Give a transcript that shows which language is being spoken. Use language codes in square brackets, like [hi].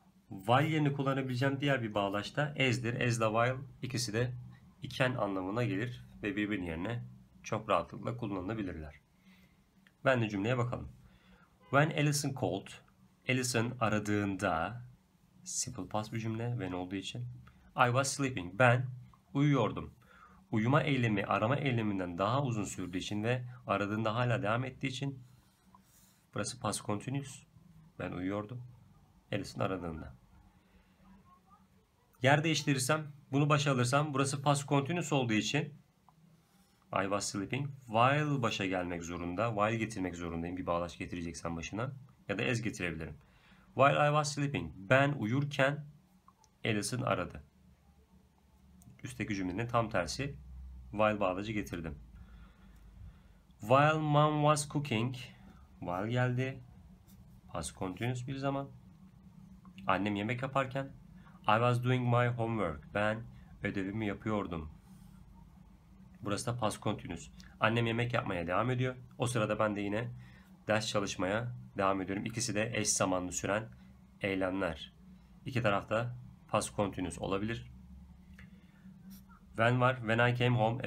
[tr] While yerini kullanabileceğim diğer bir bağlaç da as'dir. As ile while ikisi de iken anlamına gelir. ve birbirinin yerine çok rahatlıkla kullanılabilirler. Ben de cümleye bakalım. [en] When Allison called, [tr] Allison aradığında, simple past bir cümle, when olduğu için. [en] I was sleeping, [tr] ben uyuyordum. Uyuma eylemi arama eyleminden daha uzun sürdüğü için ve aradığında hala devam ettiği için burası past continuous. Ben uyuyordum. Alice'in aradığında. Yer değiştirirsem, bunu başa alırsam burası past continuous olduğu için [en] I was sleeping. [tr] While başa gelmek zorunda. While getirmek zorundayım. Bir bağlaç getireceksen başına. Ya da as getirebilirim. [en] While I was sleeping. [tr] Ben uyurken Alice'in aradı. Üstteki cümlenin tam tersi while bağlacı getirdim. [en] While mom was cooking, [tr] while geldi. Past continuous bir zaman. Annem yemek yaparken [en] I was doing my homework. [tr] Ben ödevimi yapıyordum. Burası da past continuous. Annem yemek yapmaya devam ediyor. O sırada ben de yine ders çalışmaya devam ediyorum. İkisi de eş zamanlı süren eylemler. İki tarafta past continuous olabilir. When var. [en] When I came home.